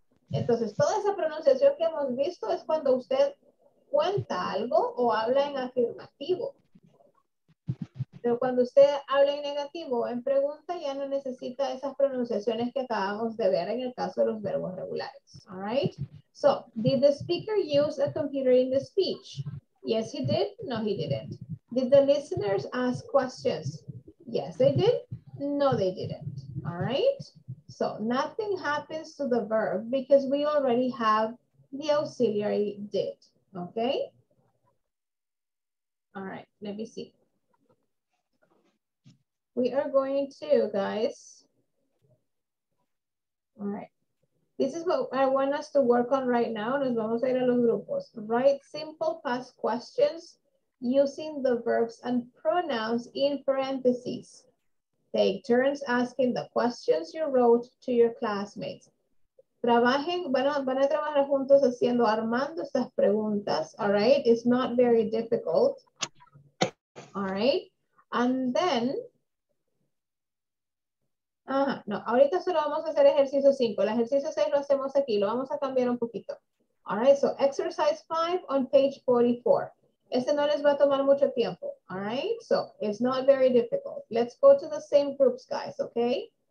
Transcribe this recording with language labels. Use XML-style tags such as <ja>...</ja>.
<es>Entonces, toda esa pronunciación que hemos visto es cuando usted cuenta algo o habla en afirmativo. Pero cuando usted habla en negativo o en pregunta, ya no necesita esas pronunciaciones que acabamos de ver en el caso de los verbos regulares.</es> <en>All right? So, did the speaker use a computer in the speech? Yes, he did. No, he didn't. Did the listeners ask questions? Yes, they did. No, they didn't. All right. So nothing happens to the verb because we already have the auxiliary did. Okay. All right. Let me see. We are going to, guys. All right. This is what I want us to work on right now.</en> <es>Nos vamos a ir a los grupos.</es> <en>Write simple past questions using the verbs and pronouns in parentheses. Take turns asking the questions you wrote to your classmates.</en> <es>Trabajen, van a trabajar juntos haciendo, armando estas preguntas.</es> <en>All right, it's not very difficult. All right, and then,</en> <es>ahorita solo vamos a hacer ejercicio 5. El ejercicio 6 lo hacemos aquí, lo vamos a cambiar un poquito.</es> <en>All right, so exercise 5 on page 44.</en> <es>Este no les va a tomar mucho tiempo, all right?</es> <en>So, it's not very difficult. Let's go to the same groups, guys, okay?</en>